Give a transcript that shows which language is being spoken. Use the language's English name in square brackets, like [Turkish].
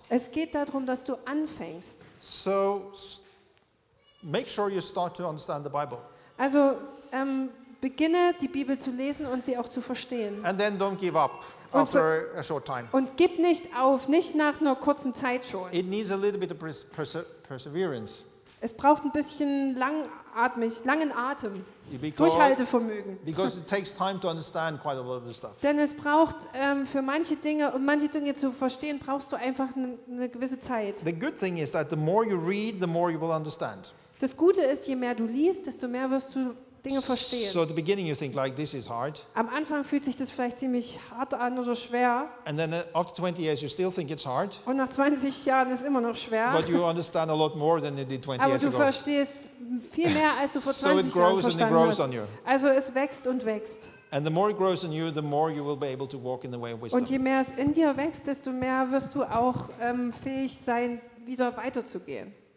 [German] Es geht darum, dass du anfängst. [English] So make sure you start to understand the Bible. [German] Also beginne die Bibel zu lesen und sie auch zu verstehen. [English] And then don't give up. After a short time. [German] Und gib nicht auf, nicht nach einer kurzen Zeit schon. [English] It needs a little bit of perseverance. [German] Es braucht ein bisschen langen Atem, Durchhaltevermögen. [English] Because it takes time to understand quite a lot of the stuff. [German] Denn es braucht für manche Dinge, um manche Dinge zu verstehen, brauchst du einfach eine gewisse Zeit. [English] The good thing is that the more you read, the more you will understand. [German] Das Gute ist, je mehr du liest, desto mehr wirst du Dinge verstehen. [English] So at the beginning you think like this is hard. [German] Am Anfang fühlt sich das vielleicht ziemlich hart an oder schwer. [English] And then after 20 years you still think it's hard. [German] Und nach 20 Jahren ist immer noch schwer. [English] But you understand a lot more than you did 20 [German] Aber [English] years [German] du [English] ago. [German] Verstehst viel mehr als du vor 20 [English] so it grows [German] Jahren [English] and it grows on you. [German] Also es wächst und wächst. [English] And the more it grows in you, the more you will be able to walk in the way of wisdom. [German] Und je mehr es in dir wächst, desto mehr wirst du auch fähig sein, wieder weiterzugehen.